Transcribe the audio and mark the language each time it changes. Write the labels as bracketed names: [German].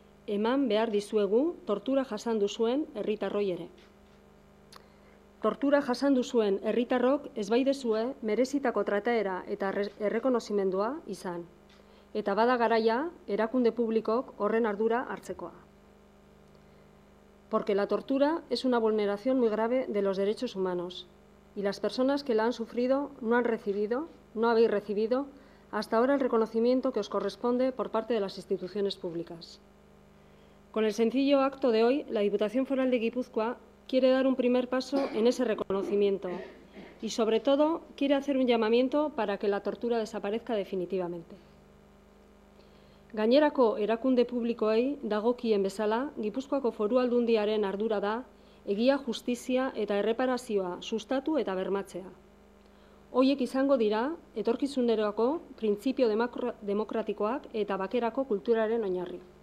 [Basque] Eman behar dizuegu tortura jasan duzuen herritarroi ere. Tortura jasan duzuen herritarrok ezbaidezue merezitako trataera eta errekonozimendua izan. Eta bada garaia erakunde publikok horren ardura hartzekoa. [Spanish] Porque la tortura es una vulneración muy grave de los derechos humanos y las personas que la han sufrido no han recibido, no habéis recibido hasta ahora el reconocimiento que os corresponde por parte de las instituciones públicas. Con el sencillo acto de hoy, la Diputación Foral de Gipuzkoa quiere dar un primer paso en ese reconocimiento y, sobre todo, quiere hacer un llamamiento para que la tortura desaparezca definitivamente. [Basque] Gainerako erakunde publikoei dagokien bezala, Gipuzkoako Foru Aldundiaren ardura da egia, justizia eta erreparazioa sustatu eta bermatzea. Hoiek izango dira etorkizunerako printzipio demokratikoak eta bakerako kulturaren oinarri.